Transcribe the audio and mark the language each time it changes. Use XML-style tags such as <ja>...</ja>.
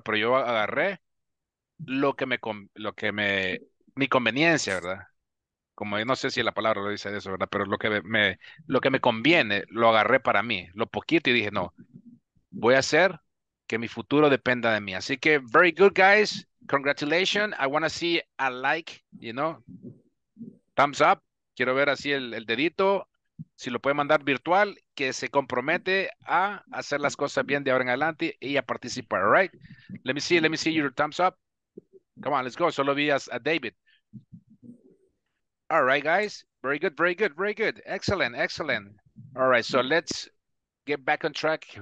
<es>Pero yo agarré mi conveniencia, ¿verdad? Como no sé si la palabra lo dice eso, ¿verdad? Pero lo que me conviene, lo agarré para mí, lo poquito, y dije, no, voy a hacer que mi futuro dependa de mí. Así que,</es> <en>very good, guys. Congratulations. I want to see a like, you know. Thumbs up.</en> <es>Quiero ver así el dedito. Si lo puede mandar virtual, que se compromete a hacer las cosas bien de ahora en adelante y a participar,</es> <en>all right? Let me see your thumbs up. Come on, let's go.</en> <es>Solo vi a David.</es> <en>All right, guys. Very good, very good, very good. Excellent, excellent. All right, so let's get back on track.</en>